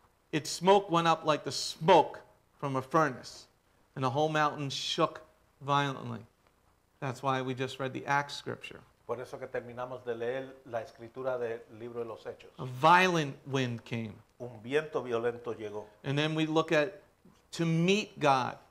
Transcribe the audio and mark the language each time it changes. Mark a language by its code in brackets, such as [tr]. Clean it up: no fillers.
[en] Its smoke went up like the smoke from a furnace, and the whole mountain shook violently. That's why we just read the Acts scripture. [es] Por eso que terminamos de leer la escritura del libro de los Hechos. [en] A violent wind came. [es] Un viento violento llegó. [en] And then we look at to meet God.